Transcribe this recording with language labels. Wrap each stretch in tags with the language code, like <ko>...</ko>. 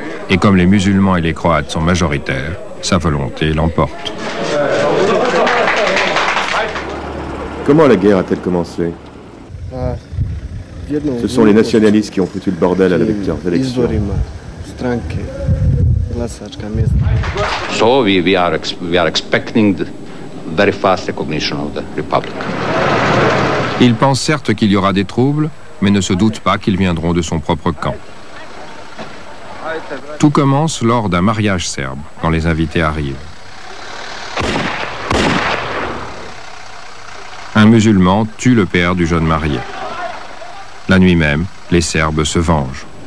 <fr>Et comme les musulmans et les croates sont majoritaires, sa volonté l'emporte. Comment la guerre a-t-elle commencé? Ce sont les nationalistes qui ont foutu le bordel à la victoire des élections.</fr> <en>So we are expecting the very fast recognition of the Republic.</en> <fr>Il pense certes qu'il y aura des troubles, mais ne se doute pas qu'ils viendront de son propre camp. Tout commence lors d'un mariage serbe, quand les invités arrivent. Un musulman tue le père du jeune marié. La nuit même, les Serbes se vengent.</fr>